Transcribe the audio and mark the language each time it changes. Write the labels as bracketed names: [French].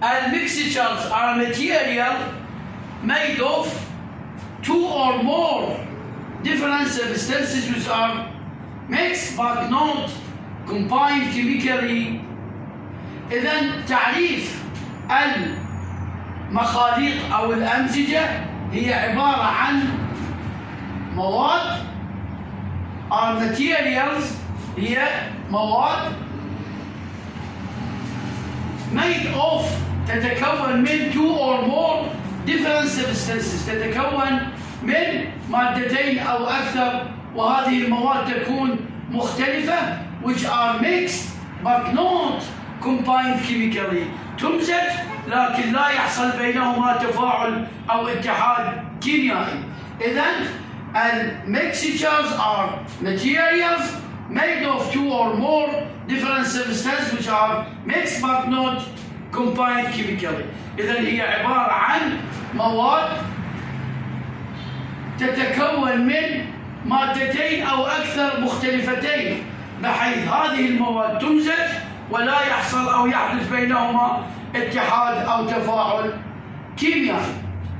[English] Mixtures are material made of two or more different substances which are mixed but not combined chemically. [Arabic] إذن تعريف المخاليط أو الأمزجة هي عبارة عن مواد [English] are materials، [Arabic] هي مواد [English] made of، [Arabic] تتكون من [English] two or more different substances، [Arabic] تتكون من مادتين أو أكثر، وهذه المواد تكون مختلفة [English] which are mixed but not combined chemically، [Arabic] تمزج لكن لا يحصل بينهما تفاعل أو اتحاد كيميائي. إذن [English] mixtures are materials made of two or more different substances which are mixed but not combined chemically. [Arabic] إذن هي عبارة عن مواد تتكون من مادتين أو أكثر مختلفتين، بحيث هذه المواد تمزج ولا يحصل أو يحدث بينهما اتحاد أو تفاعل كيميائي.